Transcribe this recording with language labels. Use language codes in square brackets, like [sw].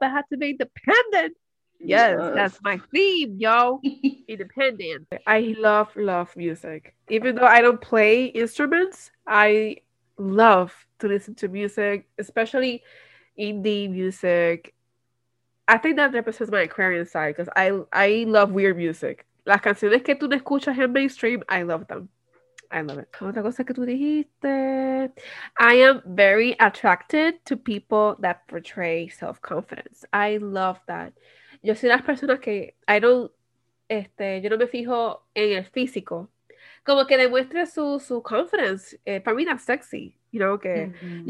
[en] I have to be independent. Yes, that's my theme, yo. Independent. I love music. Even though I don't play instruments, I love to listen to music, especially indie music. I think that represents my Aquarian side because I love weird music. [es] Las canciones que tú no escuchas en mainstream, [en] I love them. I love it. [es] Otra cosa que tú dijiste. [en] I am very attracted to people that portray self-confidence. I love that. [es] Yo soy las personas que [en] I don't, [es] yo no me fijo en el físico. Como que demuestre su confidence. Para mí [en] that's sexy. You know, [es] que mm-hmm.